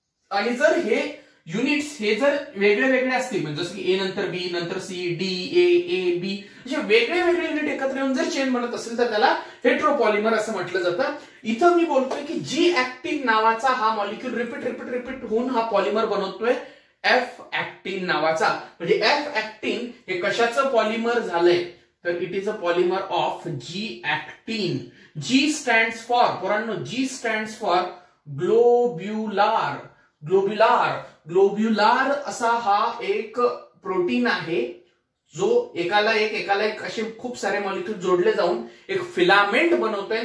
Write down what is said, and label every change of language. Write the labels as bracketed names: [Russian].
[Marathi] आणि जर हे युनिट्स हे जर वेगळे वेगळे असतील, म्हणजे जसं की ए नंतर बी नंतर C, D A A B, जे वेगळे वेगळे युनिट एकत्र येऊन जर चेन बनत असेल तर त्याला हेट्रोपॉलिमर असं म्हटलं जातं। इथं मी बोलतोय की जी ऍक्टिन नावाचा हा मॉलिक्यूल रिपीट रिपीट रिपीट होऊन हा पॉलिमर बनवतोय, एफ ऍक्टिन नावाचा। म्हणजे एफ ऍक्टिन हे कशाचं पॉलिमर झालंय? [English] तर it is a polymer of G actin. G stand for, [Marathi] पोरांनो जी स्टँड फॉर ग्लोब्युलार, ग्लोब्युलार, ग्लोब्युलार असा हा एक प्रोटीन आहे जो एकाला एक असे खूप सारे मॉलिक्यूल जोडले जाऊन एक फिलामेंट बनवतोय।